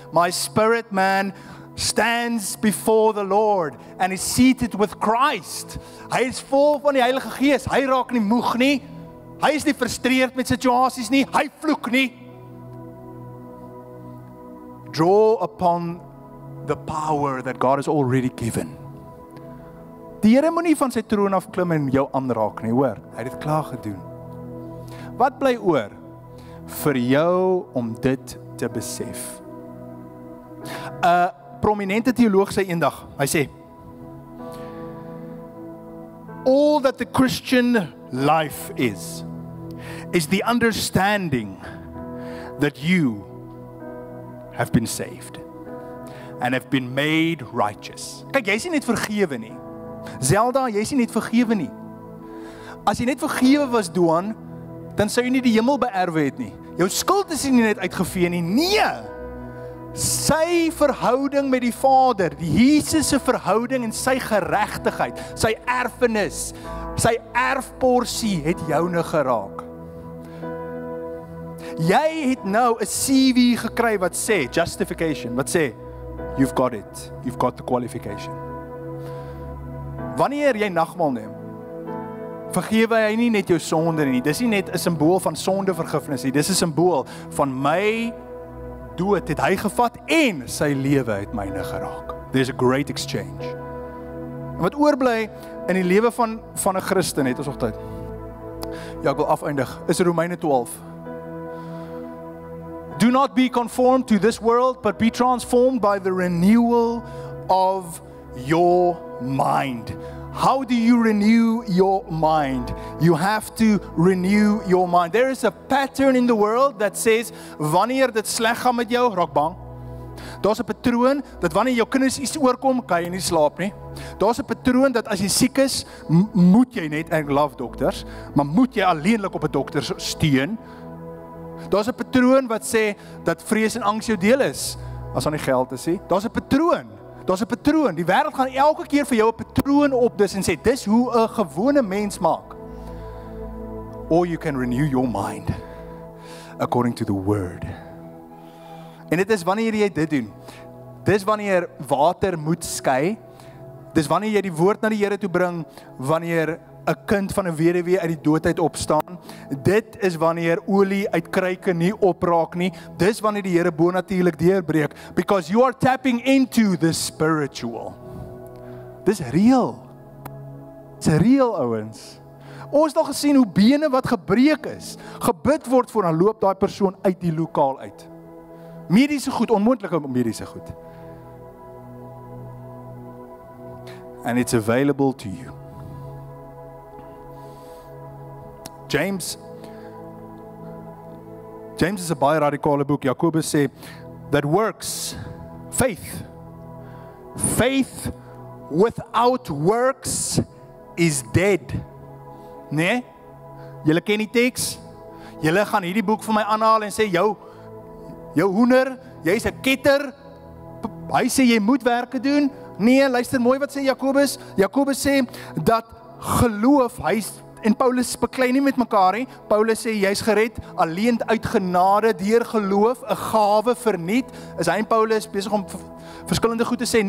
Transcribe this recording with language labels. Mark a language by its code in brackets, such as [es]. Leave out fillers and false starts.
[en] My spirit man stands before the Lord and is seated with Christ. [af] Hy is vol van die Heilige Gees. Hy raak nie moeg nie. Hy is nie frustreerd met situasies nie. Hy vloek nie. [en] Draw upon the power that God has already given. [af] Die Here moenie van sy troon af klim en jou aanraak nie, hoor. Hy het dit klaar gedoen. Wat bly oor vir jou om dit te besef? 'N prominente teoloog sê eendag, hy sê, [en] all that the Christian life is the understanding that you have been saved and have been made righteous. [af] Kyk, jy is nie net vergewe nie. Zelda, jy is nie net vergewe nie. As jy net vergewe was, Doan, dan sou jy nie die hemel beerwe het nie. Jou skuld is nie net uitgevee nie. Nee! Sy verhouding met die Vader, die Jesus se verhouding en sy geregtigheid, sy erfenis, sy erfporsie het joune geraak. Jy het nou 'n CV gekry wat sê, justification, wat sê, [en] you've got it, you've got the qualification. [af] Wanneer jy nagmaal neem, vergewe hy nie net jou sonde nie, dis nie net 'n simbool van sonde vergifnis nie, dis 'n simbool van my dood het hy gevat en sy lewe het myne geraak. [en] There's a great exchange. [af] En wat oorbly in die lewe van 'n Christen het ons nog tyd. Ja, ek wil afeindig. Is Romeine 12. [en] Do not be conformed to this world, but be transformed by the renewal of your mind. How do you renew your mind? You have to renew your mind. There is a pattern in the world that says, [af] wanneer dit sleg gaan met jou, raak bang. Daar's 'n patroon dat wanneer jou kinders iets oorkom, kan jy nie slaap nie. Daar's 'n patroon dat as jy siek is, moet jy net, [en] I love doctors, [af] maar moet jy alleenlik op 'n dokter steun. Daar's 'n patroon wat sê dat vrees en angs jou deel is, as aan die geld is. Daar's 'n patroon. Daar's 'n patroon. Die wêreld gaan elke keer vir jou 'n patroon opdis en sê, dis hoe 'n gewone mens maak. [en] Or you can renew your mind according to the word. [af] En dit is wanneer jy dit doen. Dis wanneer water moet skei. Dis wanneer jy die woord na die Here toe bring, wanneer 'n kind van 'n weduwee uit die doodheid opstaan. Dit is wanneer olie uit kruike nie opraak nie. Dis wanneer die Here bonatuurlik deurbreek, [en] because you are tapping into the spiritual. [af] Dis real. Dis real, ouens. Ons het al gesien hoe bene wat gebreek is, gebid word voor, dan loop daai persoon uit die lokaal uit. Mediese goed, onmoontlik om mediese goed. [en] And it's available to you. [af] James is a baie radikale boek. [en] Jakobus sê, that works, faith without works is dead. [af] Nee, jylle ken die teks, jylle gaan hierdie boek vir my aanhaal en sê, jou hoender, jy is een ketter, hy sê jy moet werke doen. Nee, luister mooi wat sê Jakobus. Jakobus sê, dat geloof, hy is, en Paulus beklei nie met mekaar nie, Paulus sê, jy is gered, alleen uit genade, deur geloof, een gave verniet, is hy en Paulus besig om verskillende goed te sê.